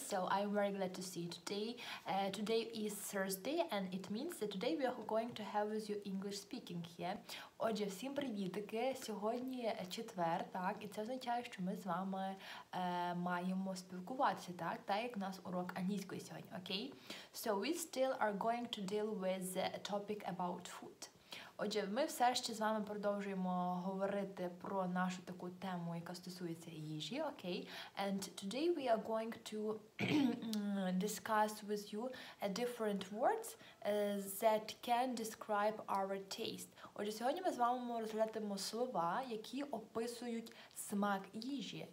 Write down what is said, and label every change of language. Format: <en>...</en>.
<en>So I'm very glad to see you today. Today is Thursday, and it means that today we are going to have with you English speaking here.</en> <uk>Отже, всім привітки. Сьогодні четвер, так? І це означає, що ми з вами маємо спілкуватися, так? Так, як у нас урок англійської сьогодні, окей?</uk> <en>So we still are going to deal with the topic about food.</en> <uk>Отже, ми все ще з вами продовжуємо говорити про нашу таку тему, яка стосується їжі, окей?</uk> <en>And today we are going to discuss with you a different words that can describe our taste.</en> <uk>Отже, сьогодні ми з вами розглядаємо слова, які описують смак їжі.</uk>